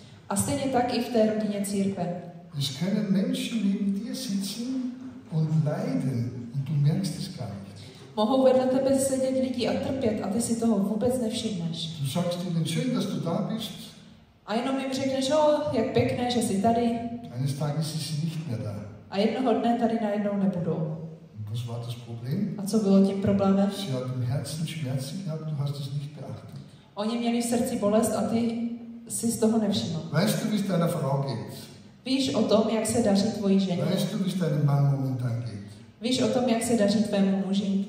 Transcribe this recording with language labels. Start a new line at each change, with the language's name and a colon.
Czech: A stejně tak i v té rodině církve.
German: Es können Menschen neben dir sitzen und leiden und du merkst es gar nicht.
Czech: Mohou vedle tebe sedět lidi a trpět, a ty si toho vůbec nevšimneš.
German: Du sagst ihnen schön, dass du da bist.
Czech: A jenom jim řekneš, oh, jak pěkné, že jsi tady.
German: Eines Tages ist sie nicht mehr da.
Czech: A jednoho dne tady najednou nebudou.
German: Was war das Problem?
Czech: A co bylo tím problémem?
German: Sie hat im Herzen Schmerzen gehabt, du hast es nicht beachtet.
Czech: Oni měli v srdci bolest a ty jsi z toho nevšiml.
German: Weißt du, wie es deiner Frau geht?
Czech: Víš o tom, jak se daří tvojí ženě?
German: Weißt du, wie es deinem Mann momentan geht?
Czech: Víš o tom, jak se daří tvému muži?